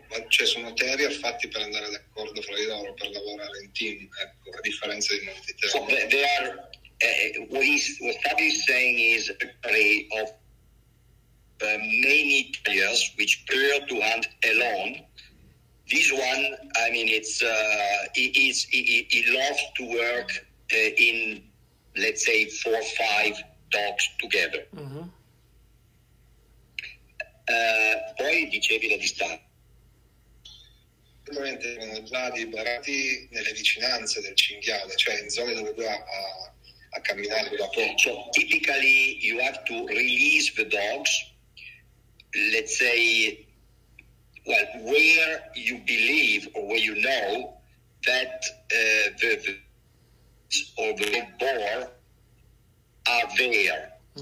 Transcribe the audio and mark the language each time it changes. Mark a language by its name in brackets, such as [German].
[Italian] sono terrier fatti per andare d'accordo fra di loro, per lavorare in team, ecco, a differenza di molti terrier. [English] So they are, what Fabio is saying is a prey of many terriers which prefer to hunt alone. This one, I mean, he loves to work in, let's say, 4 or 5 dogs together. Mm-hmm. [Italian] Poi dicevi la distanza. Ovviamente erano già liberati nelle vicinanze del cinghiale, cioè in zone dove lui a camminare da poco. [English] So typically you have to release the dogs, let's say well, where you believe or where you know that the or the boar are there.